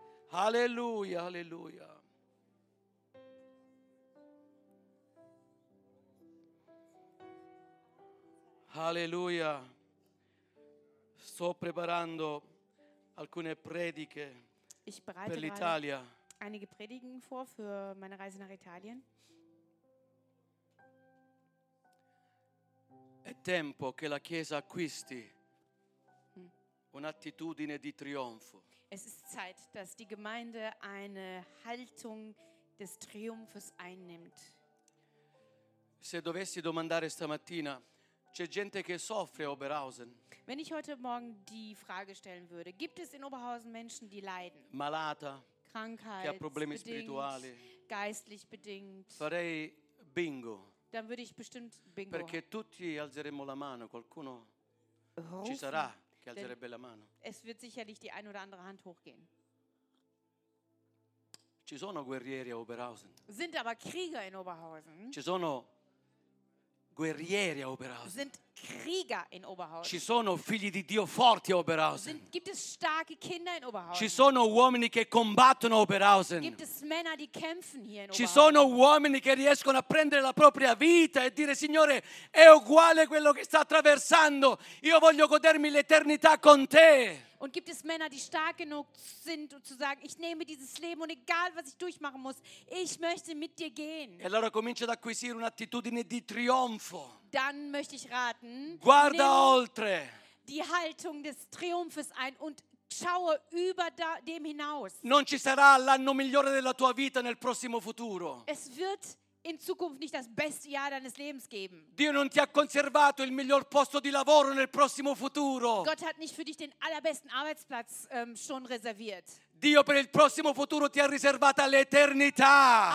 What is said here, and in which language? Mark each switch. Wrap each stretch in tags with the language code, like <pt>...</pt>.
<it>Alleluia, alleluia. Alleluia, sto preparando alcune prediche per l'Italia.</it> <de>Einige Predigen vor für meine Reise nach Italien.</de> <it>È tempo che la Chiesa acquisti un'attitudine di trionfo.</it> <de>Es ist Zeit, dass die Gemeinde eine Haltung des Triumphes einnimmt.</de> <it>Se dovessi domandare stamattina, c'è gente che soffre a Oberhausen.</it> <de>Wenn ich heute Morgen die Frage stellen würde, gibt es in Oberhausen Menschen, die leiden?</de> <it>Malata.</it> <de>Krankheit.</de> <it>Che ha problemi spirituali.</it> <de>Geistlich bedingt.</de> <it>Farei bingo.</it> <de>Dann würde ich bestimmt bingo.</de> <it>Perché tutti alzeremmo la mano, qualcuno</it> <de>rufen.</de> <it>Ci sarà che alzerebbe la mano.</it> <de>Es wird sicherlich die ein oder andere Hand hochgehen.</de> <it>Ci sono guerrieri a Oberhausen.</it> <de>Sind aber Krieger in Oberhausen.</de> <it>Ci sono guerrieri a Oberhausen.</it> <de>Sind Krieger in Oberhausen.</de> <it>Ci sono figli di Dio forti a Oberhausen.</it> <de>Gibt es starke Kinder in Oberhausen.</de> <it>Ci sono uomini che combattono a Oberhausen.</it> <de>Gibt es Männer, die kämpfen hier in Oberhausen.</de> <it>Ci sono uomini che riescono a prendere la propria vita e dire: Signore, è uguale quello che sta attraversando. Io voglio godermi l'eternità con te.</it> <de>Und gibt es Männer, die stark genug sind, um zu sagen, ich nehme dieses Leben und egal, was ich durchmachen muss, ich möchte mit dir gehen.</de> <it>E allora comincia ad acquisire un'attitudine di trionfo.</it> <de>Dann möchte ich raten,</de> <it>guarda oltre.</it> <de>Die Haltung des Triumphes ein und schaue über dem hinaus.</de> <it>Non ci sarà l'anno migliore della tua vita nel prossimo futuro.</it> <de>Es wird in Zukunft nicht das beste Jahr deines Lebens geben.</de> <it>Dio non ti ha conservato il miglior posto di lavoro nel prossimo futuro.</it> <de>Gott hat nicht für dich den allerbesten Arbeitsplatz schon reserviert.</de> <it>Dio per il prossimo futuro ti ha riservato l'eternità.</it>